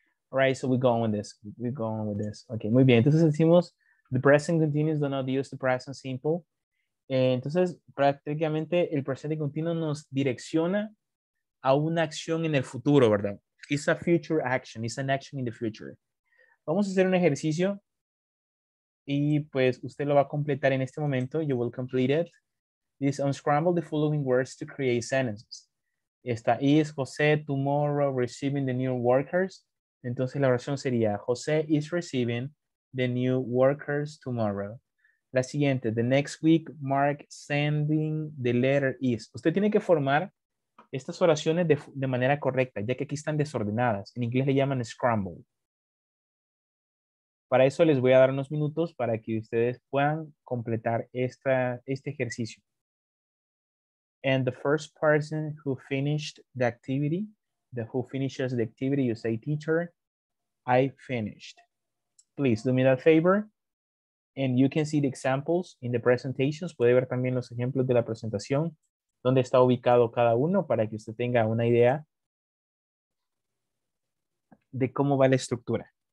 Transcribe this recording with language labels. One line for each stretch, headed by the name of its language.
English: All right, so we go on with this. Okay,
Spanish: muy bien. Entonces decimos,
English: the present continuous do not use the present simple.
Spanish: Entonces, prácticamente el presente continuo nos direcciona a una acción en el futuro, ¿verdad?
English: It's a future action. It's an action in the future.
Spanish: Vamos a hacer un ejercicio y pues usted lo va a completar en este momento.
English: You will complete it. Is unscramble the following words to create sentences. Esta is José tomorrow receiving the new workers.
Spanish: Entonces la oración sería
English: José is receiving the new workers tomorrow.
Spanish: La siguiente,
English: the next week Mark sending the letter is.
Spanish: Usted tiene que formar estas oraciones de manera correcta, ya que aquí están desordenadas. En inglés le llaman scramble. Para eso les voy a dar unos minutos para que ustedes puedan completar este ejercicio.
English: And the first person who finished the activity, who finishes the activity, you say, teacher, I finished. Please do me that favor. And you can see the examples in the presentations.
Spanish: Puede ver también los ejemplos de la presentación, donde está ubicado cada uno para que usted tenga una idea de cómo va la estructura.